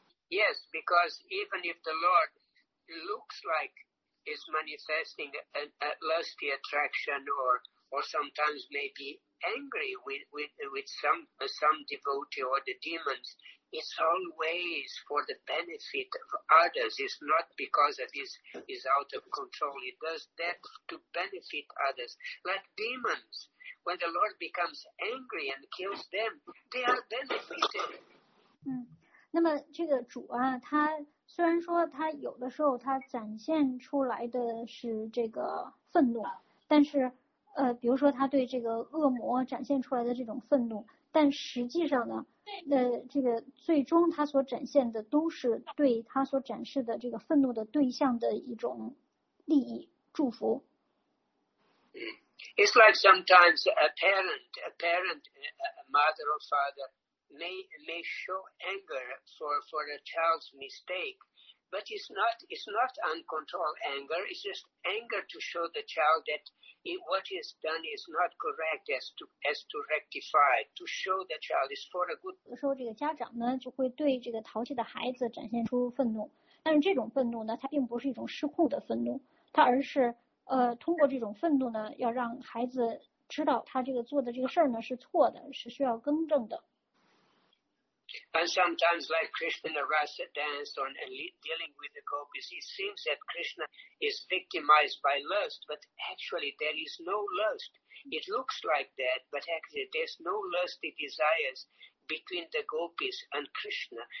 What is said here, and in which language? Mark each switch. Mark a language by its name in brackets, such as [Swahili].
[English] Yes, because even if the Lord looks like is manifesting a lusty attraction or sometimes maybe angry with some devotee or the demons, it's always for the benefit of others. It's not because of his is out of control. He does that to benefit others. Like demons, when the Lord becomes angry and kills them, they are benefited. [Chinese] 那么这个主啊，他虽然说他有的时候他展现出来的是这个愤怒，但是比如说他对这个恶魔展现出来的这种愤怒，但实际上呢，这个最终他所展现的都是对他所展示的这个愤怒的对象的一种利益祝福。 [English] It's like sometimes a mother or father may show anger for a child's mistake, but it's not uncontrolled anger. It's just anger to show the child that what he has done is not correct, as to rectify, to show the child is for a good. [Chinese] 有时候这个家长呢就会对这个淘气的孩子展现出愤怒，但是这种愤怒呢，它并不是一种失控的愤怒，它而是通过这种愤怒呢，要让孩子知道他这个做的这个事儿呢是错的，是需要更正的。 [English] And sometimes, like Krishna Rasa dance or dealing with the gopis, it seems that Krishna is victimized by lust, but actually there is no lust. It looks like that, but actually there's no lusty desires between the gopis and Krishna.